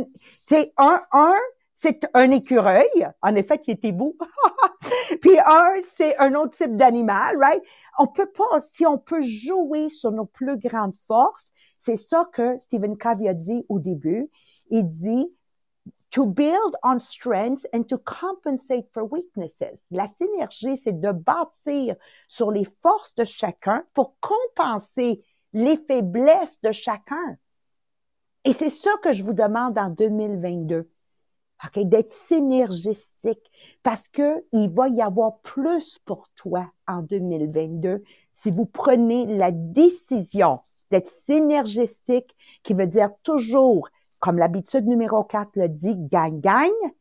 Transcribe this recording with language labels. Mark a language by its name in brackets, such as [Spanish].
[French] C'est un écureuil. En effet, qui était beau. Puis un, c'est un autre type d'animal, right? On peut pas, si on peut jouer sur nos plus grandes forces, c'est ça que Stephen Covey a dit au début. [English] Il dit, to build on strengths and to compensate for weaknesses. [French] La synergie, c'est de bâtir sur les forces de chacun pour compenser les faiblesses de chacun. Et c'est ça que je vous demande en 2022. OK? D'être synergistique. Parce que il va y avoir plus pour toi en 2022 si vous prenez la décision d'être synergistique, qui veut dire toujours, comme l'habitude numéro 4 le dit, gagne-gagne.